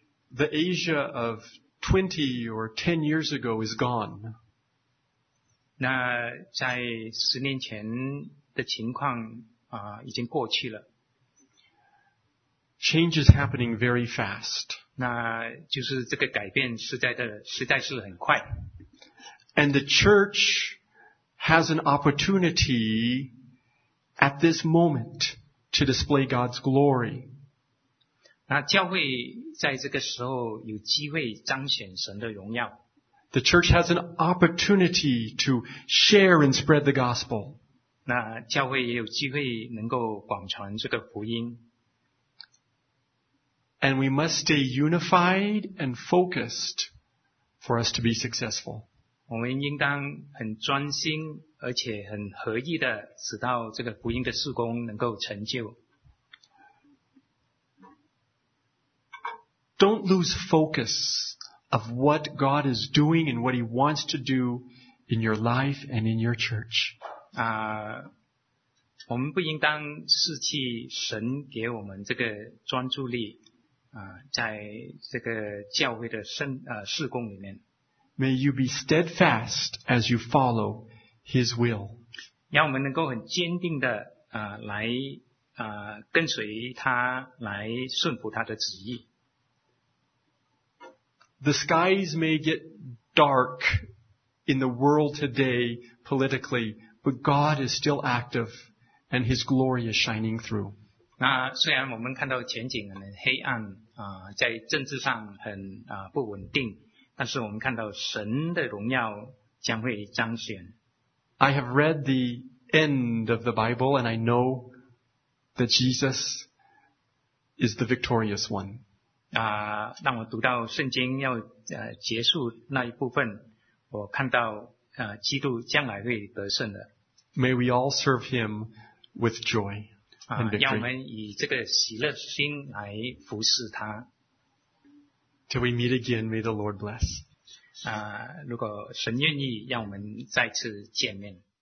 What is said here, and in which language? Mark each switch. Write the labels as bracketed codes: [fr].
[en] The Asia of 20 or 10 years ago is gone. [zh] 那在十年前的情况已经过去了。 [en] Change is happening very fast. [zh] 那就是这个改变实在是很快。 [en] And the church has an opportunity at this moment to display God's glory. [zh] 那教会在这个时候有机会彰显神的荣耀。 [en] The church has an opportunity to share and spread the gospel. [zh] 那教会也有机会能够广传这个福音。 [en] And we must stay unified and focused for us to be successful. [zh] 我们应当很专心而且很合一的使到这个福音的事工能够成就。 [en] Don't lose focus of what God is doing and what He wants to do in your life and in your church. [zh] 我们不应当失去神给我们这个专注力在这个教会的事工里面。 [en] May you be steadfast as you follow His will. [zh] 让我们能够很坚定的来跟随他，来顺服他的旨意。 [en] The skies may get dark in the world today politically, but God is still active and His glory is shining through. [zh] 那虽然我们看到前景很黑暗在政治上很不稳定，但是我们看到神的荣耀将会彰显。 [en] I have read the end of the Bible and I know that Jesus is the victorious one. [zh] 让我读到圣经要结束那一部分，我看到基督将来会得胜的。 [en] May we all serve Him with joy and victory. [zh] 让我们以这个喜乐心来服侍他。 [en] Till we meet again, may the Lord bless. [zh] 如果神愿意，让我们再次见面。